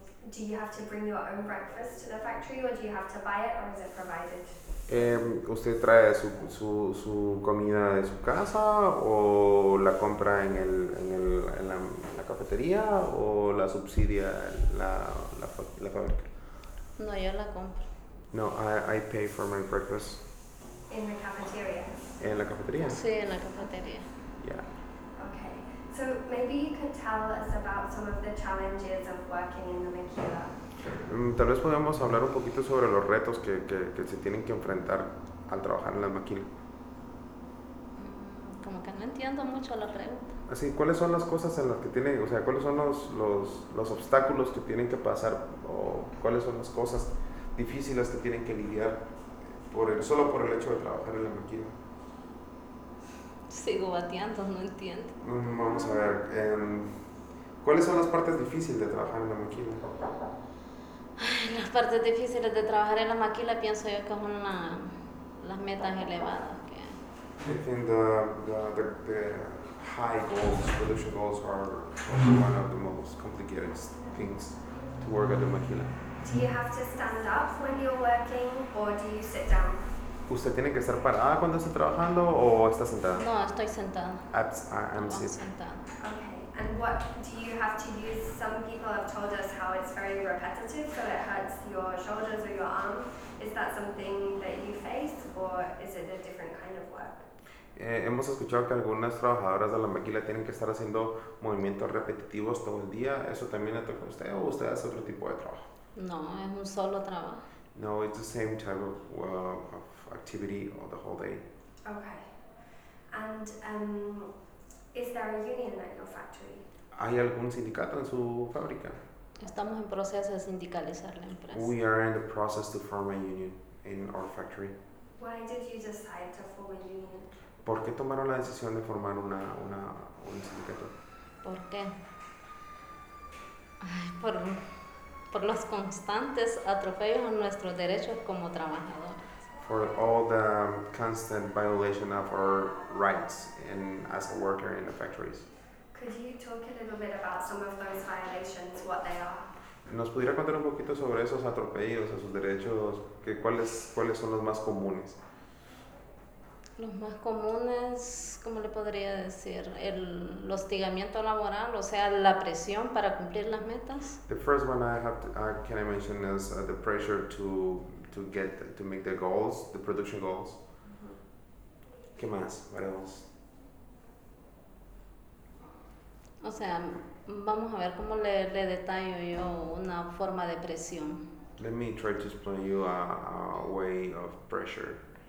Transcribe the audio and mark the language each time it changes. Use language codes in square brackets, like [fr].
[en] Do you have to bring your own breakfast to the factory or do you have to buy it or is it provided? [es] ¿Usted trae su comida de su casa o la compra en la cafetería o la subsidia la fábrica? No, yo la compro. [en] No, I pay for my breakfast. In the cafeteria. [es] ¿En la cafetería? Sí, en la cafetería. [en] Yeah. So maybe you could tell us about some of the challenges of working in the maquila. [es] Tal vez podemos hablar un poquito sobre los retos que se tienen que enfrentar al trabajar en la maquila. Como que no entiendo mucho la pregunta. Así, ¿cuáles son las cosas en las que tienen, o sea, cuáles son los obstáculos que tienen que pasar o cuáles son las cosas difíciles que tienen que lidiar solo por el hecho de trabajar en la maquila? Sigo bateando, no entiendo. Vamos a ver, ¿cuáles son las partes difíciles de trabajar en la maquila? Las partes difíciles de trabajar en la maquila pienso yo que son las metas elevadas. [en] I think the high goals, production goals are one of the most complicated things to work at the maquila. Do you have to stand up when you're working or do you sit down? [es] ¿Usted tiene que estar parada cuando está trabajando o está sentada? No, estoy sentada. [en] I'm [es] sentada. [en] Okay. And what do you have to use? Some people have told us how it's very repetitive, so it hurts your shoulders or your arm. Is that something that you face or is it a different kind of work? [es] Hemos escuchado que algunas trabajadoras de la maquila tienen que estar haciendo movimientos repetitivos todo el día. ¿Eso también le toca a usted o usted hace otro tipo de trabajo? No, es un solo trabajo. [en] No, it's the same type of activity or the whole day. Okay. And is there a union at your factory? [es] ¿Hay algún sindicato en su fábrica? Estamos en proceso de sindicalizar la empresa. [en] We are in the process to form a union in our factory. Why did you decide to form a union? [es] ¿Por qué tomaron la decisión de formar un sindicato? ¿Por qué? Por los constantes atropellos a nuestros derechos como trabajadores. [en] For all the constant violation of our rights as a worker in the factories. Could you talk a little bit about some of those violations, what they are? [es] ¿Nos pudiera contar un poquito sobre esos atropellos a sus derechos? ¿Cuáles son los más comunes? Los más comunes, ¿cómo le podría decir? El hostigamiento laboral, o sea, la presión para cumplir las metas. [en] The first one I mention is the pressure to make the goals, the production goals. [es] Mm-hmm. ¿Qué más? [en] What else? [es] O sea, vamos a ver cómo le detallo yo una forma de presión. [en] Let me try to explain you a way of pressure.